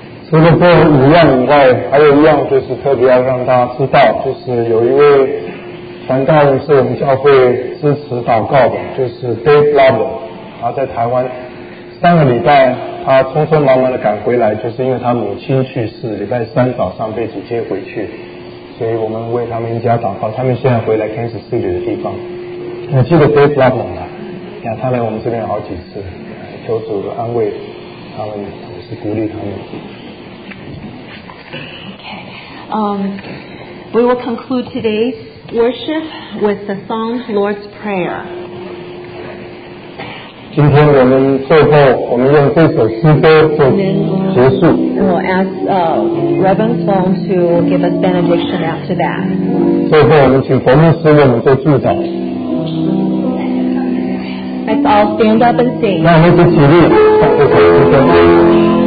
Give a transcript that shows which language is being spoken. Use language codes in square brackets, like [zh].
[zh] 特别要让大家知道，就是有一位传道人是我们教会支持祷告的，就是 Dave Lovell， 他在台湾上个礼拜他匆匆忙忙的赶回来，就是因为他母亲去世，礼拜三早上被主接回去，所以我们为他们一家祷告，他们现在回来 Kansas City 的地方。你记得 Dave Lovell 吗？他来我们这边好几次，求主安慰他们，也是鼓励他们。 [en] We will conclude today's worship with the song Lord's Prayer. [zh] 今天我们最后我们用这首诗歌做结束。 [en] And we'll ask Reverend Song to give us benediction after that. [zh] 最后我们请冯牧师为我们做祝祷。 [en] Let's all stand up and sing. [zh] 那我们一起起立，唱这首诗歌。